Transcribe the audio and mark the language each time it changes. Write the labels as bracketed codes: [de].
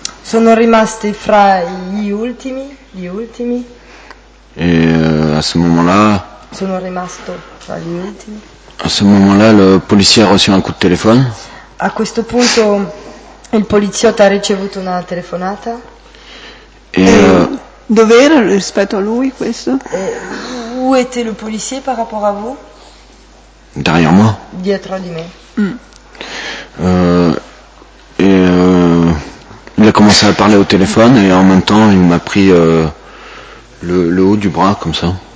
[it] Sono rimasti fra gli ultimi. [fr] Et à ce moment-là. [it] Sono rimasto fra gli ultimi. [fr] À ce moment-là, le policier a reçu un coup de téléphone. [it] A questo punto il poliziotto ha ricevuto una telefonata. Dove era rispetto a lui questo? [fr] Où était le policier par rapport à vous? Derrière moi. [it] Dietro di me. [fr] Il a commencé à parler au téléphone et en même temps il m'a pris le haut du bras comme ça.